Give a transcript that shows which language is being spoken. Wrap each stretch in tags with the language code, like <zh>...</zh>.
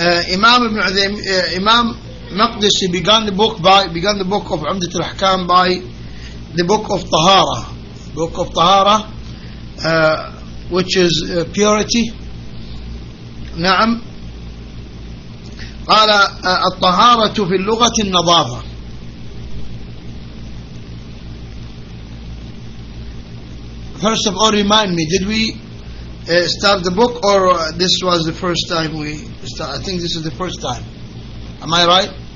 <en>Imam Ibn Adhim, Imam Maqdisi began the book of Umdat al-Ahkam by the book of Tahara. Book of Tahara, which is purity.</en> <ar>نعم. قال الطهارة في اللغة النظافة.</ar> <en>First of all, remind me, did we start the book or this was the first time we start? I think this is the first time. Am I right?</en>